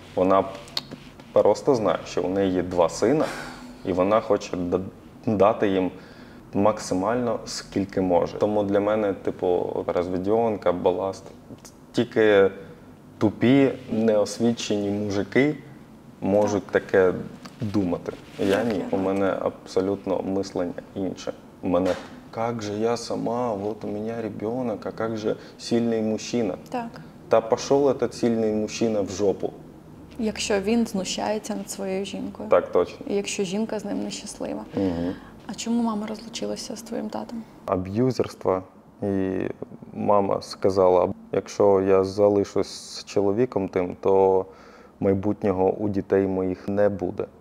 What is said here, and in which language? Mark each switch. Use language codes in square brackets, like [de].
[uk] Вона просто знає, що у неї є два сина, і вона хоче дати їм максимально, скільки може. Тому для мене, типу, розведенка, баласт. Тільки тупі, неосвічені мужики можуть таке думати. Я ні, у мене абсолютно мислення інше. [ru] У мене «Как же я сама, вот у меня ребенок, а как же сильный мужчина?» [uk] Так. [ru] Та пошел этот сильный мужчина в жопу. [uk] Якщо він знущається над своєю жінкою. Так, точно. І якщо жінка з ним нещаслива. Угу. А чому мама розлучилася з твоїм татом? Аб'юзерство. І мама сказала, якщо я залишусь з чоловіком тим, то майбутнього у дітей моїх не буде.